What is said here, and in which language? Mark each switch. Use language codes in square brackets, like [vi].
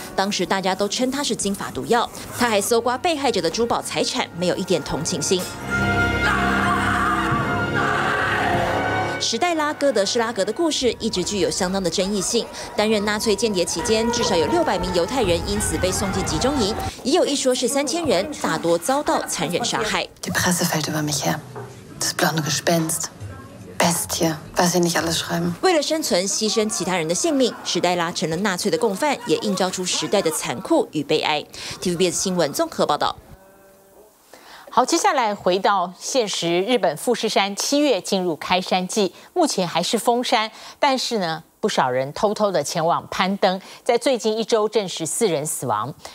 [zh] 当时大家都称他是金发毒药。他还搜刮被害者的珠宝财产，没有一点同情心。史黛拉·哥德施拉格的故事一直具有相当的争议性。担任纳粹间谍期间，至少有600名犹太人因此被送进集中营，也有一说是3000人，大多遭到残忍杀害。 [de] Die Presse fällt über mich her. Das blonde Gespenst. Bestie, was sie nicht alles schreiben. [zh] 为了生存，牺牲其他人的性命，史黛拉成了纳粹的共犯，也映照出时代的残酷与悲哀。 TVBS 新闻综合报道。好，接下来回到现实，日本富士山七月进入开山季，目前还是封山，但是呢，不少人偷偷的前往攀登，在最近一周证实四人死亡。